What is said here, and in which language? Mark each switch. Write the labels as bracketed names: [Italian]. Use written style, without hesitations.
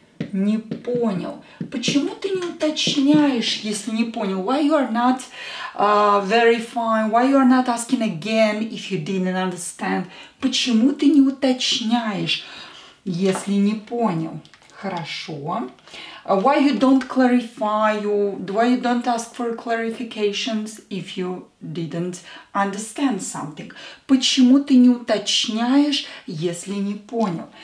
[Russian] Не понял. Почему ты не уточняешь, если не понял? [English] Why you are not verifying? Why you are not asking again if you didn't understand? [Russian] Почему ты не уточняешь, если не понял? Хорошо. [English] Why you don't clarify? Why you don't ask for clarifications if you didn't understand something? [Russian] Почему ты не уточняешь, если не понял?